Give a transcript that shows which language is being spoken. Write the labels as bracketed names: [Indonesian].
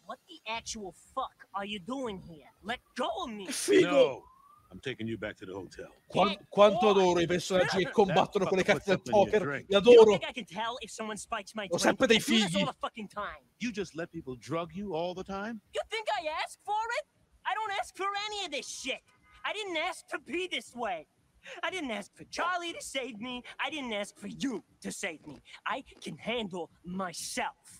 [English] What the actual fuck are you doing here? Let go of me. Figo. No, I'm taking you back to the hotel. [Italian] Quanto adoro i personaggi che combattono con le carte del poker. Li adoro. Ho sempre dei figli. [English] You just let people drug you all the time? You think I ask for it? I don't ask for any of this shit. I didn't ask to be this way. I didn't ask for Charlie to save me. I didn't ask for you to save me. I can handle myself.